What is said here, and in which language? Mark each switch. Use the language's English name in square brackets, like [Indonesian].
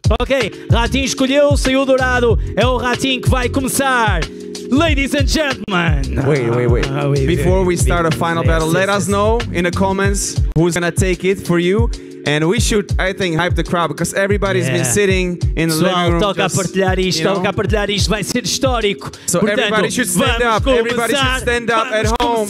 [Portuguese] Ok, Ratinho escolheu, saiu dourado. É o Ratinho que vai começar. [English] Ladies and gentlemen! Wait. Before we start a final battle, let us know in the comments who's gonna take it for you. And we should, I think, hype the crowd because everybody's been sitting in the living room. [Portuguese] Toca a partilhar isto, toca a partilhar isto, vai ser histórico. [English] So everybody should stand up, everybody should stand up at home.